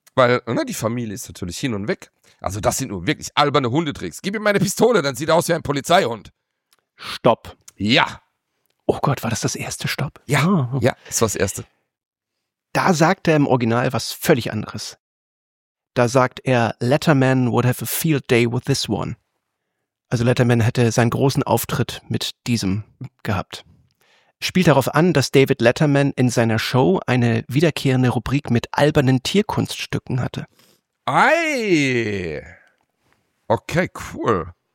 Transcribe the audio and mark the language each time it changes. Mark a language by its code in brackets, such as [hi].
[de] Weil, ne, die Familie ist natürlich hin und weg. Also das sind nur wirklich alberne Hundetricks. Gib ihm meine Pistole, dann sieht er aus wie ein Polizeihund. Stopp. Ja. Oh Gott, war das erste Stopp? Ja, ja, das war das erste. Da sagt er im Original was völlig anderes. Da sagt er, [en] Letterman would have a field day with this one. [de] Also Letterman hätte seinen großen Auftritt mit diesem gehabt. Spielt darauf an, dass David Letterman in seiner Show eine wiederkehrende Rubrik mit albernen Tierkunststücken hatte. Ei! Okay, cool.